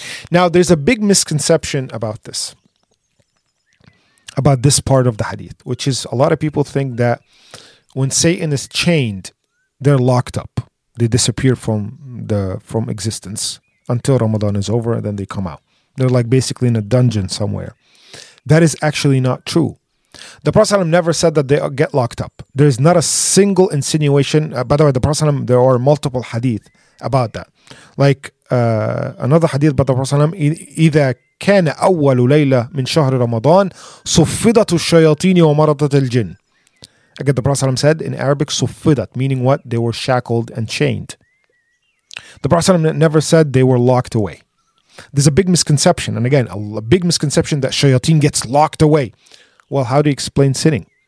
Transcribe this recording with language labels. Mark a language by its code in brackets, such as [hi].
[en] Now, there's a big misconception about this, about this part of the hadith, which is a lot of people think that when Satan is chained, they're locked up, they disappear from existence. Until Ramadan is over, and then they come out. They're like basically in a dungeon somewhere. That is actually not true. The Prophet ﷺ never said that they get locked up. There is not a single insinuation. By the way, the Prophet ﷺ, there are multiple hadith about that. Like another hadith by the Prophet ﷺ, [ar] إِذَا كَانَ أَوَّلُ لَيْلَةٍ مِنْ شَهْرِ رَمَضَانِ صُفِّدَتُ الشَّيَاطِينِ وَمَرَضَتِ الْجِنِ. [en] Again, the Prophet ﷺ said in Arabic, صُفِّدَت, meaning what? They were shackled and chained. The Prophet ﷺ never said they were locked away. There's a big misconception. And again, a big misconception that shayateen gets locked away. Well, how do you explain sinning?